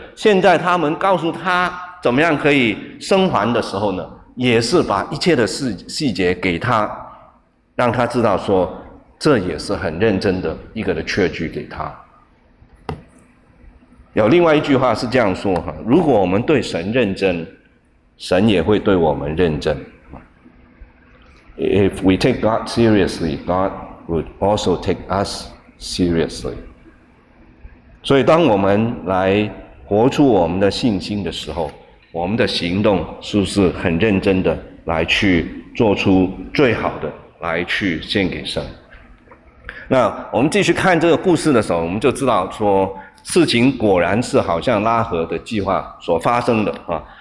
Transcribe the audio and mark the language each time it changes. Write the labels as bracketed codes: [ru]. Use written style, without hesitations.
[zh] 现在他们告诉他。怎么样可以生还的时候呢，也是把一切的细节给他，让他知道说这也是很认真的一个的确据给他。有另外一句话是这样说，如果我们对神认真，神也会对我们认真。 [en] If we take God seriously, God would also take us seriously。 [zh] 所以当我们来活出我们的信心的时候，我们的行动是不是很认真的来去做出最好的来去献给神。那我们继续看这个故事的时候，我们就知道说事情果然是好像拉合的计划所发生的啊。